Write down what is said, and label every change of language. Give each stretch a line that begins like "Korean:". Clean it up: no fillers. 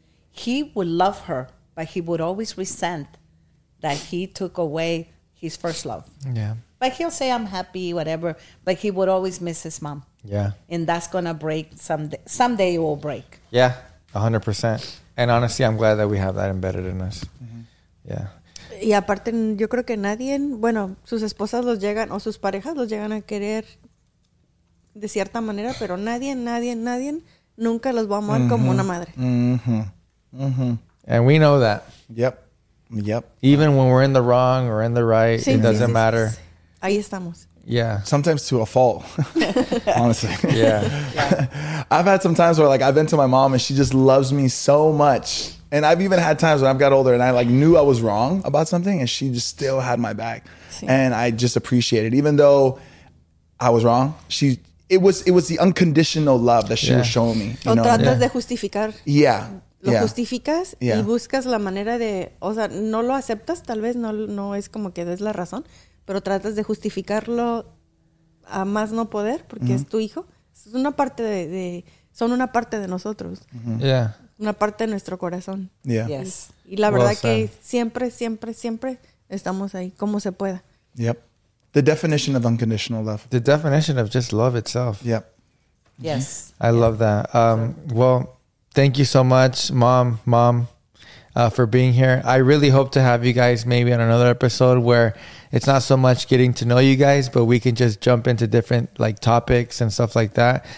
English: He would love her, but he would always resent that he took away his first love. Yeah. But he'll say, I'm happy, whatever. But he would always miss his mom. Yeah. And that's going to break someday. Someday it will break. Yeah. 100%. And honestly, I'm glad that we have that embedded in us. Mm-hmm. Yeah.
Spanish: Y aparte, yo creo que nadie, bueno, sus esposas los llegan, o sus parejas los llegan a querer de cierta manera, pero nadie nunca los va a amar como una madre. Mm-hmm. Mm-hmm.
English: And we know that. Yep. Yep. Even when we're in the wrong or in the right, sí, it doesn't matter.
Spanish: Ahí estamos.
English: Yeah. Sometimes to a fault, honestly. Yeah. I've had some times where, like, I've been to my mom and she just loves me so much. And I've even had times when I've got older and I, like, knew I was wrong about something and she just still had my back. See. And I just appreciate it. Even though I was wrong, she... It was the unconditional love that she was showing me. You know?
Spanish: O tratas de justificar.
English: Yeah.
Spanish: Lo justificas y buscas la manera de... O sea, no lo aceptas, tal vez no es como que des la razón, pero tratas de justificarlo a más no poder porque es tu hijo. Es una parte de son una parte de nosotros.
English: Mm-hmm. Yeah.
Spanish: Una parte de nuestro corazón.
English: Yeah. Yes.
Spanish: Y la verdad que siempre, siempre, siempre estamos ahí, como se pueda.
English: Yep. The definition of unconditional love. The definition of just love itself. Yep. Yes. I love that. Well, thank you so much, Mom, for being here. I really hope to have you guys maybe on another episode where it's not so much getting to know you guys, but we can just jump into different like topics and stuff like that.